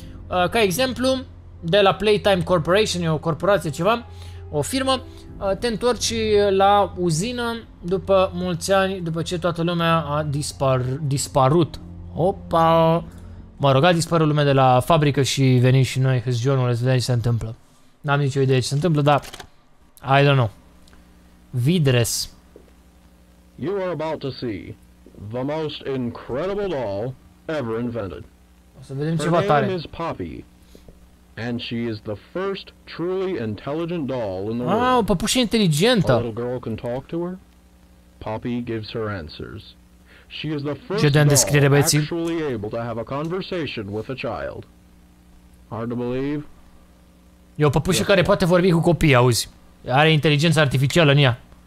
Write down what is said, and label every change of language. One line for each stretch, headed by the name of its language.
Romanian: Ca exemplu, de la Playtime Corporation, e o corporație ceva, o firmă, te întorci la uzină după mulți ani, după ce toată lumea a dispărut. Opa, mă rog, a dispărut lumea de la fabrică și venim și noi, că-s John-ul, să vedem ce se întâmplă. N-am nicio idee ce se întâmplă, dar
English: I don't know. Vidres. You are about to see the most incredible doll ever invented.
Romanian: O să vedem ceva tare.
English: Her name is Poppy, and she is the first truly intelligent doll in the world.
Romanian: Wow, păpușă inteligentă.
English: A little girl can talk to her. Poppy gives her answers. She is the first doll actually able to have a conversation with a child. Hard to believe.
Romanian: E o păpușă care poate vorbi cu copii, auzi? Are inteligență artificială în ea.